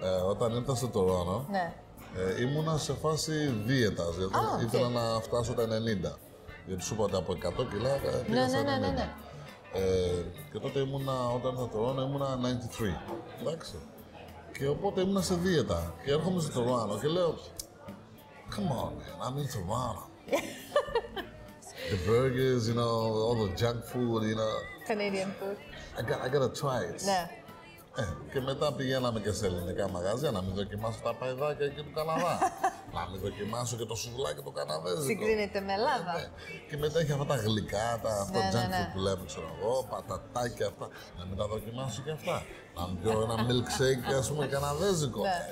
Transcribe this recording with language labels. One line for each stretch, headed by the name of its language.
Greek: Όταν ήρθα στο Τωρόνο, ήμουνα σε φάση δίαιτας, γιατί ήθελα να φτάσω τα 90. Γιατί σου είπατε από 100 κιλά, πήγα σε 90. Ναι. Και τότε ήμουνα, όταν ήρθα στο Τωρόνο, ήμουνα 93. Εντάξει. Και οπότε ήμουνα σε δίαιτα και έρχομαι στο Τωρόνο και λέω,
English: come on, man, I'm in Toronto. The burgers, you know, all the junk food, you know. Canadian food. I gotta try it.
Greek: Ναι. Και μετά πηγαίναμε και σε ελληνικά μαγαζιά να μην δοκιμάσω τα παϊδάκια εκεί του Καναδά. Να μην δοκιμάσω και το σουβλάκι του Καναδέζικο. Συγκρίνεται με Ελλάδα. Ναι. Και μετά έχει αυτά τα γλυκά, αυτό junk food που λέμε, ξέρω εγώ, πατατάκια αυτά. Να μην τα δοκιμάσω και αυτά. Να μην πιω ένα milkshake, ας πούμε, Καναδέζικο.